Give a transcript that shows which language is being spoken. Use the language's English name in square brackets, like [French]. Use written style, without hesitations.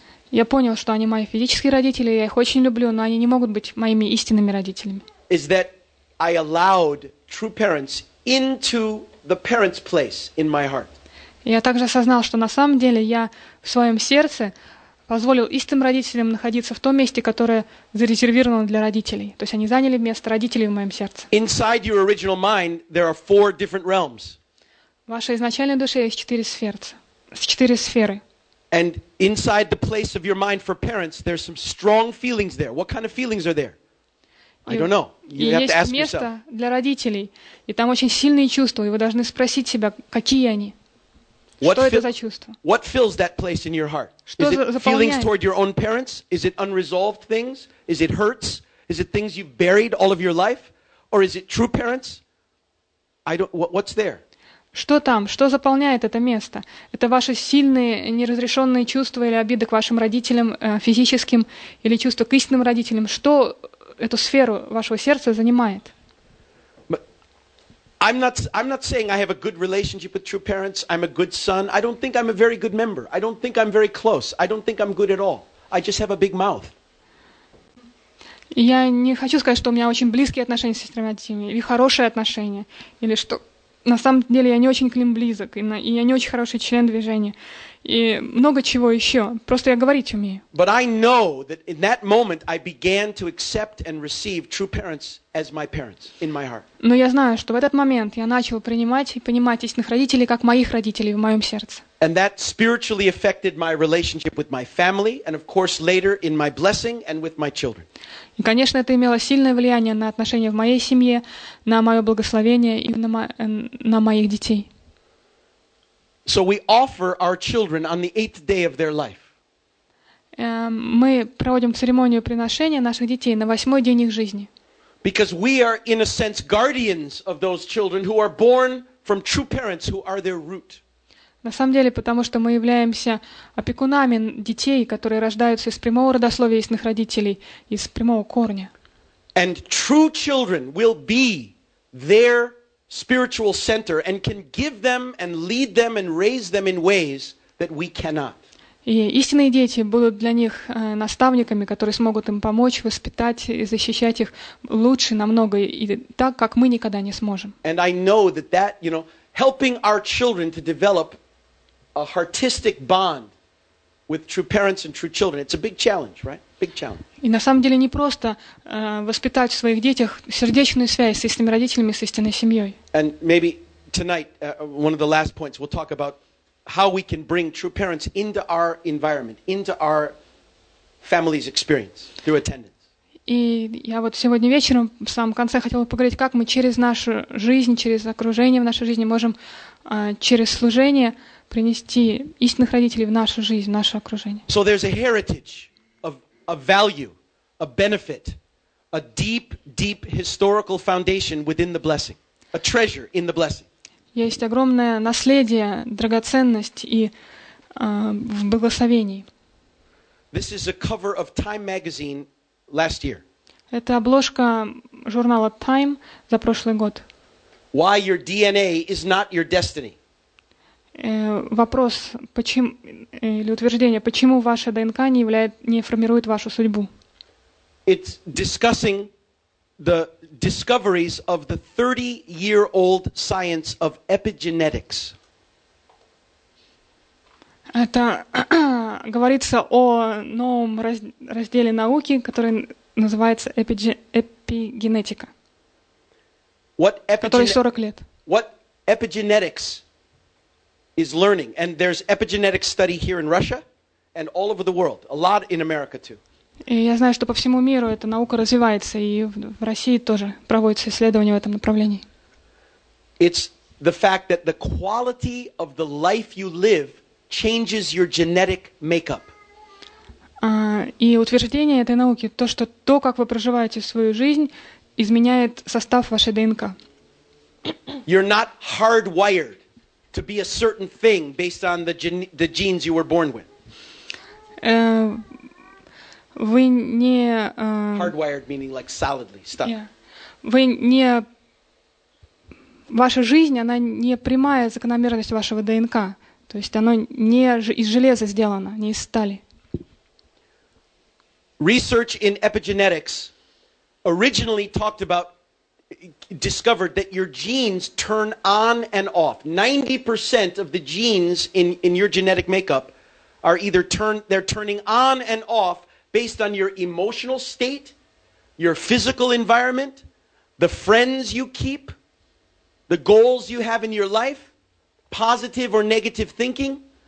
[Russian] Я понял, что они мои физические родители, я их очень люблю, но они не могут быть моими истинными родителями. [English] Is that I allowed true parents into the parents' place in my heart. [Russian] Я также осознал, что на самом деле я в своем сердце позволил истинным родителям находиться в том месте, которое зарезервировано для родителей. То есть они заняли место родителей в моем сердце. [English] Inside your original mind, there are four different realms. [Russian] В вашей изначальной душе есть четыре сферы. [English] And inside the place of your mind for parents, there's some strong feelings there. What kind of feelings are there? I don't know. You have to ask yourself. [Russian] Есть место для родителей, и там очень сильные чувства, и вы должны спросить себя, какие они. [English] What fills that place in your heart? [Russian] Что [English] is it feelings toward your own parents? Is it unresolved things? Is it hurts? Is it things you've buried all of your life? Or is it true parents? What's there? [Russian] Что там? Что заполняет это место? Это ваши сильные неразрешенные чувства или обиды к вашим родителям физическим или чувства к истинным родителям? Что эту сферу вашего сердца занимает? [English] I'm not saying I have a good relationship with true parents. I'm a good son. I don't think I'm a very good member. I don't think I'm very close. I don't think I'm good at all. I just have a big mouth. [Russian] Я не хочу сказать, что у меня очень близкие отношения с сестрами родителями, или хорошие отношения, или что на самом деле я не очень к ним близок, и я не очень хороший член движения. и много чего еще. Просто я говорить умею. [English] But I know that in that moment I began to accept and receive true parents as my parents in my heart. [Russian] Но я знаю, что в этот момент я начал принимать и понимать истинных родителей как моих родителей в моем сердце. [English] And that spiritually affected my relationship with my family, and of course later in my blessing and with my children. [Russian] И, конечно, это имело сильное влияние на отношения в моей семье, на мое благословение и на моих детей. [English] So we offer our children on the eighth day of their life. [Russian] Мы проводим церемонию приношения наших детей на восьмой день их жизни. [English] Because we are, in a sense, guardians of those children who are born from true parents who are their root. [Russian] На самом деле, потому что мы являемся опекунами детей, которые рождаются из прямого родословия истинных родителей, из прямого корня. [English] And true children will be their spiritual center and can give them and lead them and raise them in ways that we cannot. [Russian] И истинные дети будут для них наставниками, которые смогут им помочь, воспитать и защищать их лучше намного и так, как мы никогда не сможем. [English] And I know that, you know, helping our children to develop a heartistic bond with true parents and true children, it's a big challenge, right? Big challenge. [Russian] И на самом деле не просто воспитать в своих детях сердечную связь с истинными родителями, с истинной семьей. [English] And maybe tonight, one of the last points, we'll talk about how we can bring true parents into our environment, into our family's experience through attendance. [Russian] И я вот сегодня вечером в самом конце хотела поговорить, как мы через нашу жизнь, через окружение в нашей жизни можем через служение принести истинных родителей в нашу жизнь, в наше окружение. [English] So there's a heritage of a value, a benefit, a deep, deep historical foundation within the blessing, a treasure in the blessing. [Russian] Есть огромное наследие, драгоценность и в благословении. [English] This is a cover of Time magazine last year. [Russian] Это обложка журнала Time за прошлый год. [English] Why your DNA is not your destiny? [Russian] Вопрос, почему, или утверждение, почему ваша ДНК не является, не формирует вашу судьбу? [English] It's discussing the discoveries of the 30-year-old science of epigenetics. [Russian] Это говорится о новом разделе науки, который называется эпигенетика. Который 40 лет. [English] What epigenetics is learning, and there's epigenetic study here in Russia and all over the world, a lot in America too. [Russian] Я знаю, что по всему миру эта наука развивается, и в России тоже проводятся исследования в этом направлении. [English] It's the fact that the quality of the life you live changes your genetic makeup. [Russian] И утверждение этой науки то, что то, как вы проживаете свою жизнь, изменяет состав вашей ДНК. [English] You're not hardwired to be a certain thing based on the genes you were born with. [Russian] Вы не [English] hardwired, meaning like solidly stuck. [Russian] Вы не ваша жизнь, она не прямая закономерность вашего ДНК, то есть оно не из железа сделано, не из стали. [English] Research in epigenetics originally talked about discovered that your genes turn on and off. 90% of the genes in your genetic makeup are either they're turning on and off based on your emotional state, your physical environment, the friends you keep, the goals you have in your life, positive or negative thinking.